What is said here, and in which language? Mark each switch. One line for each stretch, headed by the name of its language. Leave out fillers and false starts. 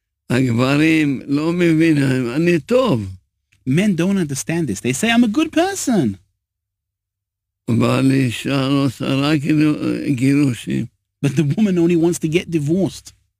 Hebrew: הגברים לא מבינים, אני טוב.
English: Men don't understand this. They say, I'm a good person.
Hebrew: אבל אישה רוצה רק גירושים.
English: But the woman only wants to get divorced.